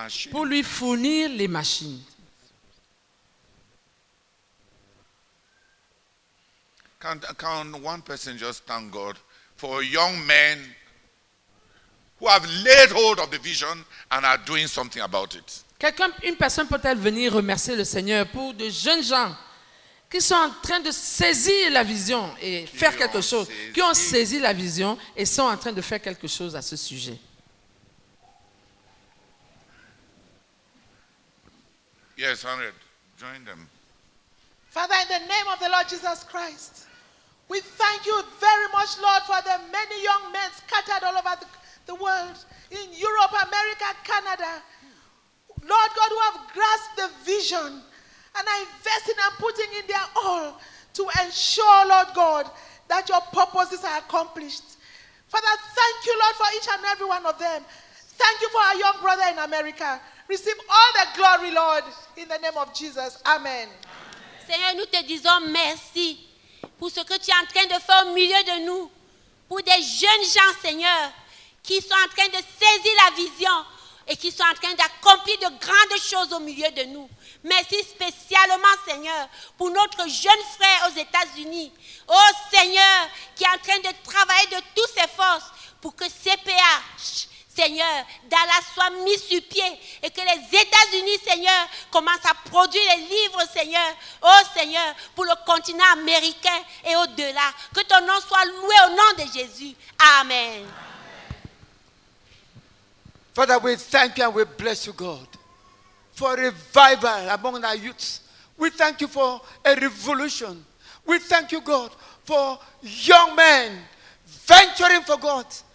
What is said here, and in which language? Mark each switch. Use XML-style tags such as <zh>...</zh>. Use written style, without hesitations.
<fr>Pour lui fournir les machines.</fr> <en>Can one person just thank God for young men who have laid hold of the vision and are doing something about it?</en> <fr>Une personne peut-elle venir remercier le Seigneur pour de jeunes gens qui sont en train de saisir la vision et faire quelque chose, qui ont saisi la vision et sont en train de faire quelque chose à ce sujet?</fr> <en>Yes, 100. Join them. Father, in the name of the Lord Jesus Christ, we thank you very much, Lord, for the many young men scattered all over the world, in Europe, America, Canada. Lord God, who have grasped the vision and are investing and putting in their all to ensure, Lord God, that your purposes are accomplished. Father, thank you, Lord, for each and every one of them. Thank you for our young brother in America. Receive all the glory, Lord, in the name of Jesus. Amen.</en> <fr>Seigneur, nous te disons merci pour ce que tu es en train de faire au milieu de nous, pour des jeunes gens, Seigneur, qui sont en train de saisir la vision et qui sont en train d'accomplir de grandes choses au milieu de nous. Merci spécialement, Seigneur, pour notre jeune frère aux États-Unis. Oh, Seigneur, qui est en train de travailler de toutes ses forces pour que CPA, Seigneur, Dallas soit mis sur pied et que les États-Unis, Seigneur, commencent à produire les livres, Seigneur. Oh, Seigneur, pour le continent américain et au-delà. Que ton nom soit loué au nom de Jésus. Amen.</fr> <en>Father, we thank you and we bless you, God, for revival among our youths. We thank you for a revolution. We thank you, God, for young men venturing for God.</en>